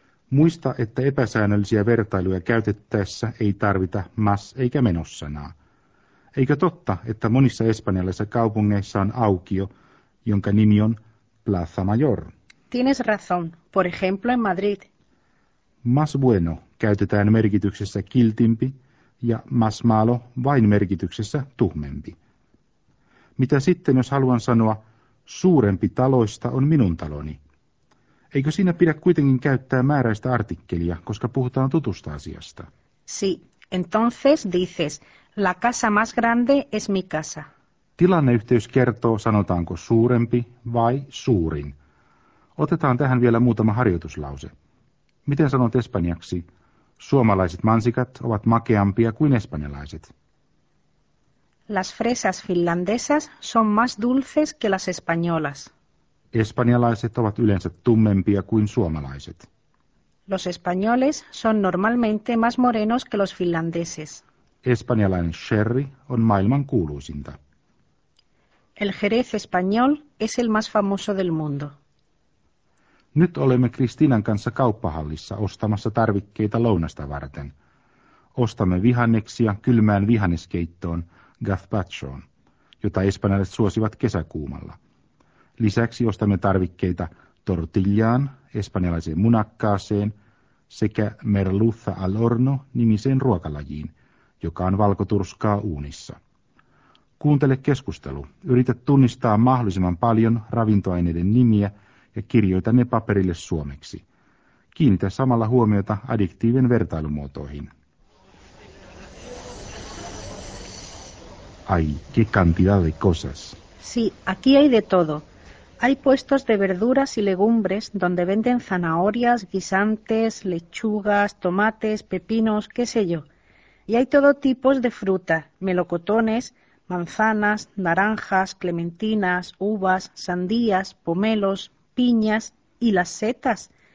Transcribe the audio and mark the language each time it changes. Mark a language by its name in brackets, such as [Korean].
[Finnish] Muista, että epäsäännöllisiä vertailuja käytettäessä ei tarvita más eikä menossanaa. Eikö totta, että monissa espanjalaisissa kaupungeissa on aukio, jonka nimi on Plaza Mayor? [Spanish] Tienes razón. Por ejemplo, en Madrid. Más bueno [Finnish] käytetään merkityksessä kiltimpi ja [Spanish] más malo [Finnish] vain merkityksessä tuhmempi. Mitä sitten, jos haluan sanoa, suurempi taloista on minun taloni? Eikö siinä pidä kuitenkin käyttää määräistä artikkelia, koska puhutaan tutusta asiasta? [Spanish] Sí, entonces dices, la casa más grande es mi casa. [Finnish] Tilanneyhteys kertoo, sanotaanko suurempi vai suurin. Otetaan tähän vielä muutama harjoituslause. Miten sanot espanjaksi, suomalaiset mansikat ovat makeampia kuin espanjalaiset? [Spanish] Las fresas finlandesas son más dulces que las españolas. [Finnish] Espanjalaiset ovat yleensä tummempia kuin suomalaiset. [Spanish] Los españoles son normalmente más morenos que los finlandeses. [Finnish] Espanjalainen sherry on maailman kuuluisinta. [Spanish] El jerez español es el más famoso del mundo. [Finnish] Nyt olemme Kristiinan kanssa kauppahallissa ostamassa tarvikkeita lounasta varten. Ostamme vihanneksia kylmään vihanneskeittoon, gazpachoon, jota espanjalaiset suosivat kesäkuumalla. Lisäksi ostamme tarvikkeita tortillaan, espanjalaiseen munakkaaseen, sekä [Spanish] merluza al horno [Finnish] nimiseen ruokalajiin, joka on valkoturskaa uunissa. Kuuntele keskustelu. Yritä tunnistaa mahdollisimman paljon ravintoaineiden nimiä ja kirjoita ne paperille suomeksi. Kiinnitä samalla huomiota adjektiivien vertailumuotoihin. [Spanish] Ay, qué cantidad de cosas. Sí, aquí hay de todo. Hay puestos de verduras y legumbres donde venden zanahorias, guisantes, lechugas, tomates, pepinos, qué sé yo. Y hay todo tipo de fruta, melocotones, manzanas, naranjas, clementinas, uvas, sandías, pomelos, piñas y las setas.